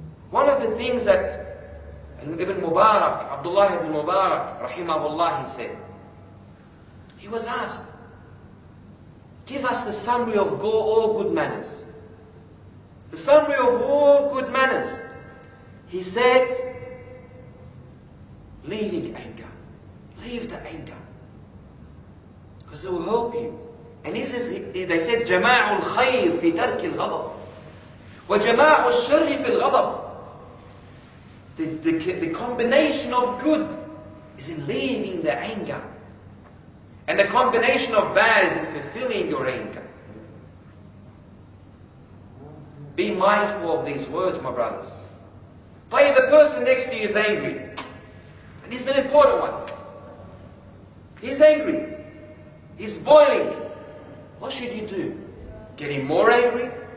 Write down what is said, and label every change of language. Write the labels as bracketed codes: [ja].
[en] One of the things that Ibn Mubarak, Abdullah ibn Mubarak, rahimahullah, he said, he was asked, give us the summary of all good manners. The summary of all good manners. He said, leaving anger. Leave the anger. Because it will help you. And this is, they said, [ar] جَمَاعُ الْخَيْرِ فِي تَرْكِ الْغَضَبِ وَجَمَاعُ الشَّرِّ فِي الْغَضَبِ. [en] The combination of good is in leaving the anger. And the combination of bad is in fulfilling your anger. Be mindful of these words, my brothers. But if the person next to you is angry, and he's an important one, he's angry, he's boiling, what should you do? Get him more angry?